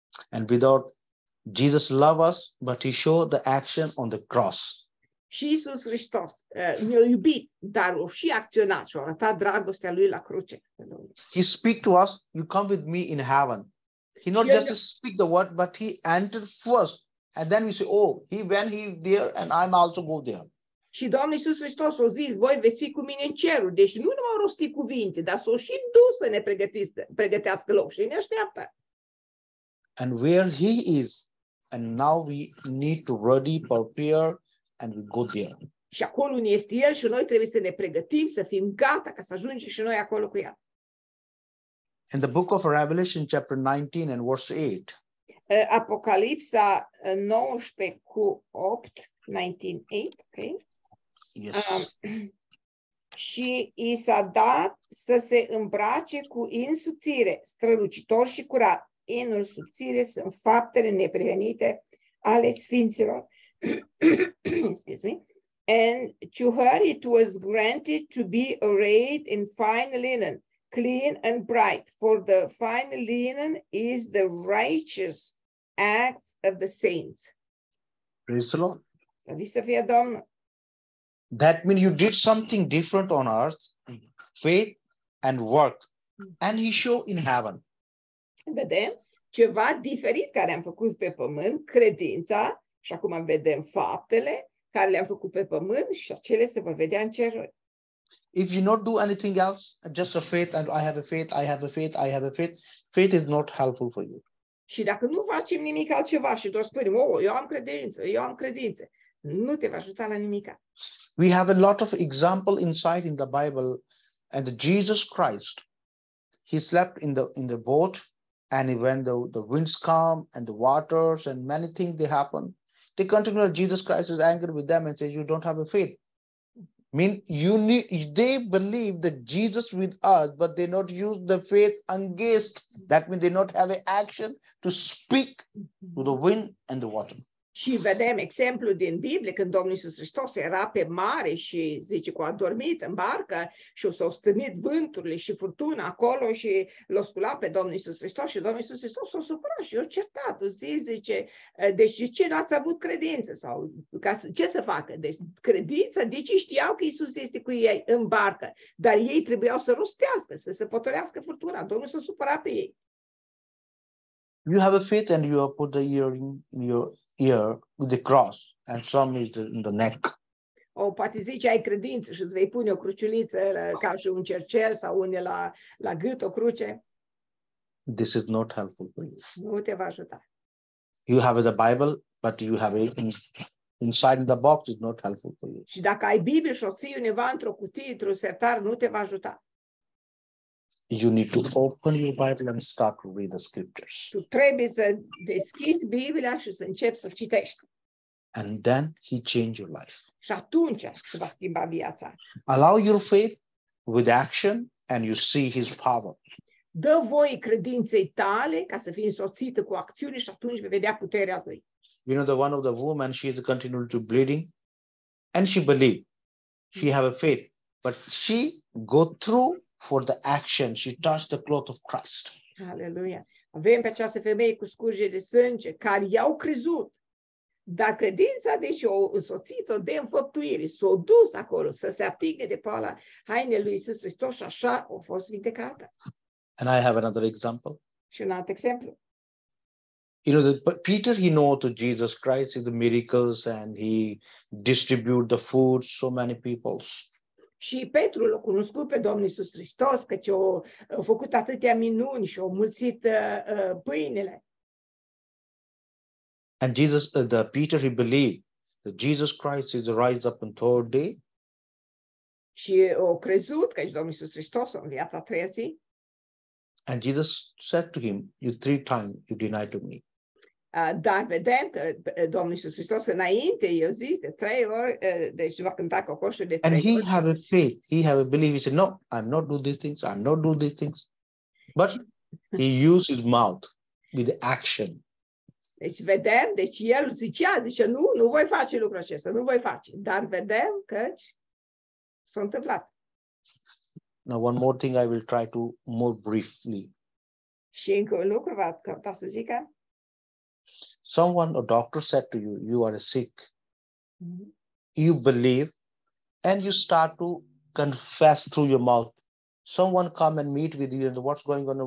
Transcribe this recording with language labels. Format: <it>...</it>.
<en>And without Jesus loves us, but he showed the action on the cross.</en> <ro>Și Iisus Hristos ne-a iubit, dar a și acționat și a arătat dragostea lui la cruce.</ro> <en>He speak to us, you come with me in heaven. He not just speak the word, but he entered first. And then we say, oh, he went here there and I'm also go there.</en> <ro>Și Domnul Iisus Hristos a zis, voi veți fi cu mine în cerul. Deci nu numai rosti cuvinte, dar s-a și dus să ne pregătească loc și ne așteaptă.</ro> <en>And where he is, and now we need to ready, prepare, and we go there.</en> <ro>Și acolo unde este el și noi trebuie să ne pregătim, să fim gata ca să ajungem și noi acolo cu el.</ro> <en>In the book of Revelation, chapter 19 and verse 8.</en> <ro>Apocalipsa 19 cu 8, 19:8,</ro> <en>okay? Yes.</en> <ro>Și i s-a dat să se îmbrace cu insuțire, strălucitor și curat. Inul subțire sunt faptele neprihănite ale sfinților.</ro> <en>Excuse me. And to her it was granted to be arrayed in fine linen, clean and bright, for the fine linen is the righteous acts of the saints. Praise the Lord.</en> <ro>Slavit să fie Domnul.</ro> <en>That means you did something different on earth, faith and work, and he show in heaven.</en> <ro>Vedem ceva diferit care am făcut pe pământ, credința, și acum vedem faptele care le-am făcut pe pământ și acele se vor vedea în ceruri.</ro> <en>If you not do anything else, just a faith, and I have a faith, I have a faith, I have a faith, faith is not helpful for you.</en> <ro>Și dacă nu facem nimic altceva și doar spunem, oh, eu am credință, nu te va ajuta la nimic.</ro> <en>We have a lot of example inside in the Bible, and Jesus Christ, he slept in the boat. And when the winds come and the waters and many things they happen, they continue. Jesus Christ is angry with them and says, "You don't have a faith." mean, you need, they believe that Jesus with us, but they not use the faith against. That means they not have an action to speak to the wind and the water.</en> <ro>Și vedem exemplu din Biblie când Domnul Iisus Hristos era pe mare și zice că a dormit în barcă și s-au stârnit vânturile și furtuna acolo și l-a sculat pe Domnul Iisus Hristos și Domnul Iisus Hristos s-a supărat și i-a certat. Zice, deci de ce nu ați avut credință? Sau ca să, ce să facă? Deci credința, deci știau că Iisus este cu ei în barcă, dar ei trebuiau să rostească, să se potolească furtuna. Domnul s-a supărat pe ei.</ro> <en>You have a faith and you have put the ear in your ear with the cross and some is in the neck.</en> <ro>Oh, poate zici ai credință și îți vei pune o cruciuliță ca și un cercel sau une la gât o cruce.</ro> <en>This is not helpful for you.</en> <ro>Nu te va ajuta.</ro> <en>You have the Bible, but you have it inside the box is not helpful for you.</en> <ro>Și dacă ai Biblie și o ții undeva într-o cutie, într-un sertar, nu te va ajuta.</ro> <en>You need to open your Bible and start to read the scriptures.</en> <ro>Tu trebuie să deschizi Biblia și să începi să citești.</ro> <en>And then he changed your life.</en> <ro>Și atunci se va schimba viața.</ro> <en>Allow your faith with action and you see his power.</en> <ro>Dă voie credinței tale ca să fii însoțită cu acțiune și atunci vei vedea puterea lui.</ro> <en>You know the one of the woman, she is continuing to bleeding and she believed. She have a faith, but she go through for the action, she touched the cloth of Christ. Hallelujah.</en> <ro>Avem pe această femeie cu scurgere de sânge care i-au crezut, dar credința deci o însoțit-o de înfăptuire, s-o dus acolo să se atingă de poala hainei lui Iisus Hristos și așa a fost vindecată.</ro> <en>And I have another example.</en> <ro>Și un alt exemplu.</ro> <en>You know, Peter, he knows to Jesus Christ, the miracles, and he distributed the food to so many people.</en> <ro>Și Petru l-a cunoscut pe Domnul Iisus Hristos, căci a făcut atâtea minuni și a mulțit pâinele.</ro> <en>And Jesus, the Peter, he believed that Jesus Christ is rise up on third day.</en> <ro>Și a crezut că Domnul Iisus Hristos a înviat a treia zi.</ro> <en>And Jesus said to him, you three times you denied to me.</en> <ro>Dar vedem că Domnul Iisus Hristos înainte i-a zis de trei ori, deci va cânta cocoșul de trei</ro> <en>and</en> <ro>ori.</ro> <en>He have a faith, he have a belief, he said, no, I'm not do these things. But he used his mouth with action.</en> <ro>Deci vedem, deci el zicea, zice, nu voi face lucrul acesta, nu voi face. Dar vedem că s-a întâmplat.</ro> <en>Now one more thing I will try to more briefly.</en> <ro>Și încă un lucru va căuta să zică.</ro> <en>Someone, a doctor said to you, you are sick. Mm-hmm. You believe and you start to confess through your mouth. Someone come and meet with you and what's going on?</en>